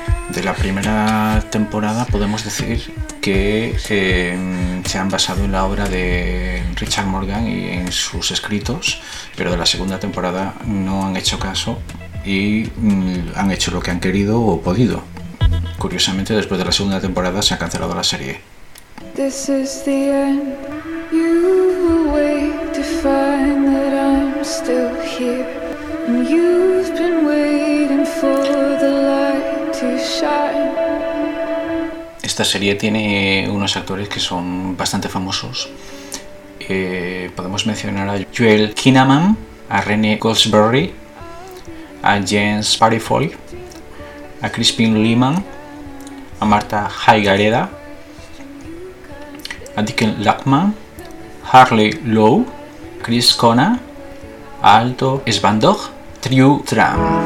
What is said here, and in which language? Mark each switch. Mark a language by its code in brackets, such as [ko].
[es] De la primera temporada podemos decir que se han basado en la obra de Richard Morgan y en sus escritos, pero de la segunda temporada no han hecho caso y han hecho lo que han querido o podido. Curiosamente, después de la segunda temporada se ha cancelado la serie. [en] This is the end. You will wait to find that I'm still here. And you've been waiting for the light to shine. [es] Esta serie tiene unos actores que son bastante famosos. Podemos mencionar a Joel Kinnaman, a Rene Goldsberry, a James Parifoy, a Crispin Lehman, a Marta Higareda, a Dickon Lackman, Harley Lowe, Chris Kona, a Alto Svandog, Drew Tram.